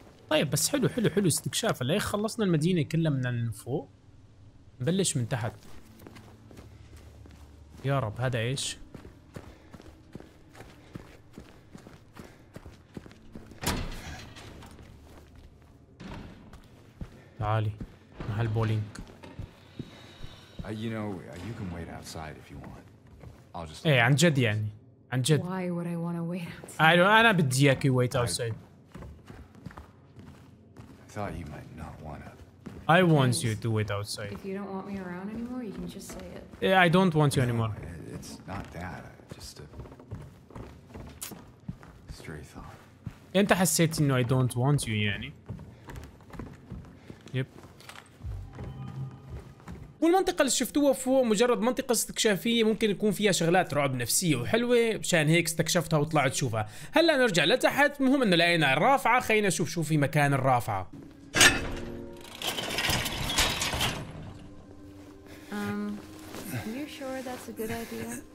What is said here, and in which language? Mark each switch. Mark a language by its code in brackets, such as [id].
[ar] طيب بس حلو حلو حلو استكشاف. اللي خلصنا المدينه كلها من فوق، نبلش من تحت. يا رب هذا ايش؟ تعالي محل بولينج. [en] You know, you can wait outside if you want. I'll just... [ar] ايه عن جد يعني، عن جد. [en] Why would I want to wait outside? [ar] أنا بدي أكي [en] wait outside. I thought you might not want to. I want you to wait outside. If you don't want me around anymore, you can just say it. Yeah, I don't want you anymore. It's not that. Just a stray thought. [ar] أنت حسيت إنه [en] I don't want you [ar] يعني. [en] Yep. [ar] والمنطقة اللي شفتوها فوق مجرد منطقة استكشافية، ممكن يكون فيها شغلات رعب نفسية وحلوة، مشان هيك استكشفتها وطلعت تشوفها. هلا نرجع لتحت، مهم انه لقينا الرافعة، خلينا نشوف شو في مكان الرافعة. [en] Are you sure that's a good idea?